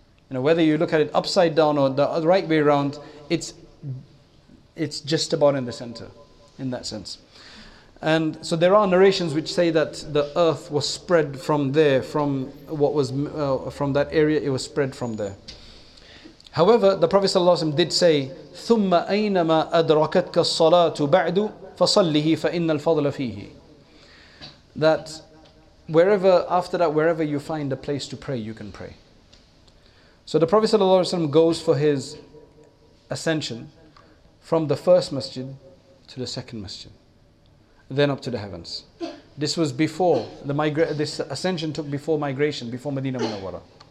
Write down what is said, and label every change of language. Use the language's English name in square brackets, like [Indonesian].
[English] You know, whether you look at it upside down or the right way around, it's it's just about in the center, in that sense. And so there are narrations which say that the earth was spread from there, from what was from that area, it was spread from there. However, the Prophet ﷺ did say, [Arabic] ثُمَّ أَيْنَمَا أَدْرَكَتْكَ الصَّلَاةُ بَعْدُ فَصَلِّهِ فَإِنَّ الْفَضْلَ فِيهِ. [English] That wherever, after that, wherever you find a place to pray, you can pray. So the Prophet ﷺ goes for his ascension from the first masjid to the second masjid, then up to the heavens. This was before the this ascension took before migration, before Medina Munawwara.